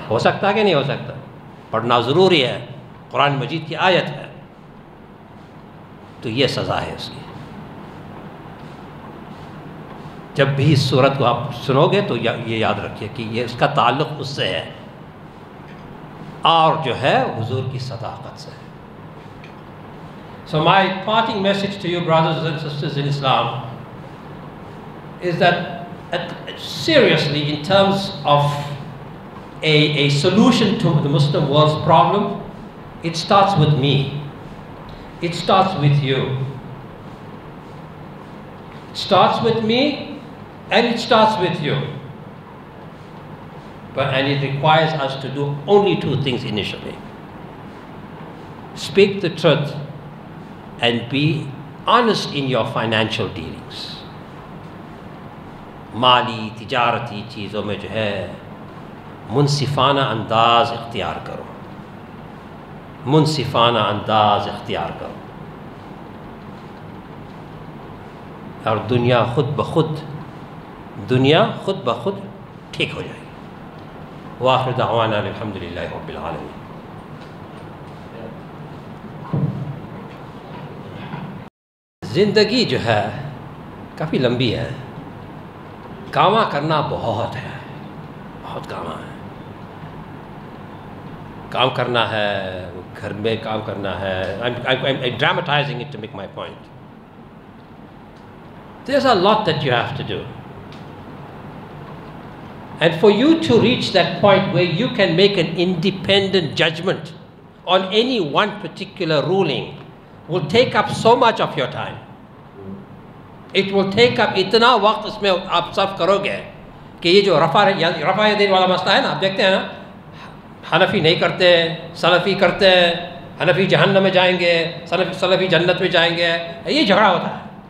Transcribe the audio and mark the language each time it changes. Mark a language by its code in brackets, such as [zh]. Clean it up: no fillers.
[ur] ہو سکتا کہ نہیں ہو سکتا؟ پڑھنا ضروری ہے، قرآن مجید کی آیت ہے. تو یہ سزا ہے اس کی. جب بھی اس سورت کو آپ سنو گے تو یہ یاد رکھیے کہ یہ اس کا تعلق اس سے ہے، اور جو ہے حضور کی صداقت سے. [en] So my parting message to you brothers and sisters in Islam is that seriously in terms of a solution to the Muslim world's problem, it starts with me, it starts with you, it starts with me and it starts with you. But and it requires us to do only two things initially: speak the truth and be honest in your financial dealings. [ur] Mali tijarati cheezon mein jo hai منصفانہ انداز اختیار کرو، منصفانہ انداز اختیار کرو، اور دنیا خود بخود، دنیا خود بخود ٹھیک ہو جائے گی. [ar] وآخر دعوانا الحمد للہ رب العالمین. [ur] زندگی جو ہے کافی لمبی ہے، کاما کرنا بہت ہے، بہت کاما ہے. کام کرنا ہے، گھر میں کام کرنا ہے. [en] I'm dramatizing it to make my point. There's a lot that you have to do. And for you to reach that point where you can make an independent judgment on any one particular ruling will take up so much of your time. It will take up [ur] اتنا وقت اس میں آپ صرف کرو گے کہ یہ جو رفع دین والا مسئلہ ہے نا، آپ دیکھتے ہیں نا، حنفی نہیں کرتے، سلفی کرتے ہیں. حنفی جہنم میں جائیں گے، سلفی جنت میں جائیں گے. یہ جھگڑا ہوتا ہے.